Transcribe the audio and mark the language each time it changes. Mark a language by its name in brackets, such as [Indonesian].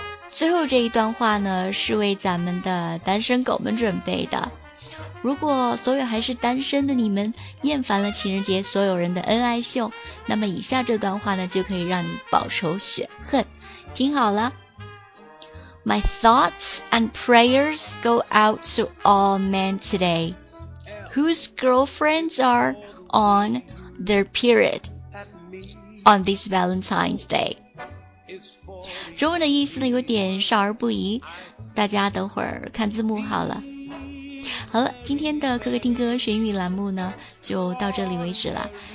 [Chinese] 最后这一段话呢，是为咱们的单身狗们准备的。如果所有还是单身的你们厌烦了情人节所有人的恩爱秀，那么以下这段话呢，就可以让你饱仇雪恨。听好了。 [English] My thoughts and prayers go out to all men today whose girlfriends are on their period on this Valentine's Day. [Chinese] 中文的意思呢有点少儿不宜，大家等会儿看字幕好了。好了，今天的可可听歌学英语栏目呢就到这里为止了。